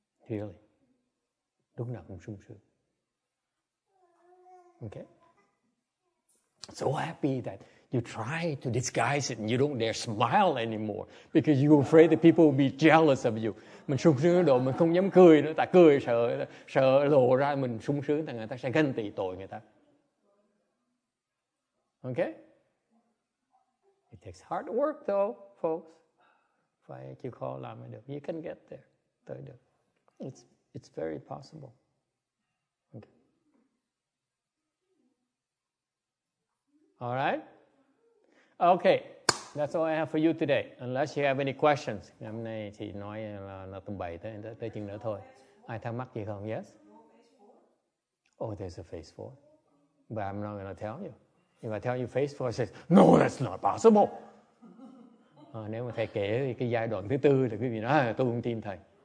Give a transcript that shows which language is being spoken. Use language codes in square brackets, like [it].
[vi] Really. Lúc nào cũng sung sướng. Okay? [en] So happy that you try to disguise it and you don't dare smile anymore because you're afraid that people will be jealous of you. [vi] Mình sung sướng đến độ mình không dám cười nữa, tại cười sợ lộ ra mình sung sướng thì người ta sẽ ganh tị tội người ta. [en] Okay? It takes hard work though, folks. [vi] Phải chịu khó làm mới được. [en] You can get there. [vi] Tới được. [en] It's very possible. Okay. All right? Okay. That's all I have for you today. Unless you have any questions. [vi] Hôm nay chị nói là tụng bày tới chừng nữa thôi. Ai thắc mắc gì không? Yes? [en] oh, there's a phase four. But I'm not going to tell you. If I tell you phase four, it says, no, that's not possible. [vi] Nếu mà thầy kể thì cái giai đoạn thứ tư là quý vị nói, tôi không tin thầy.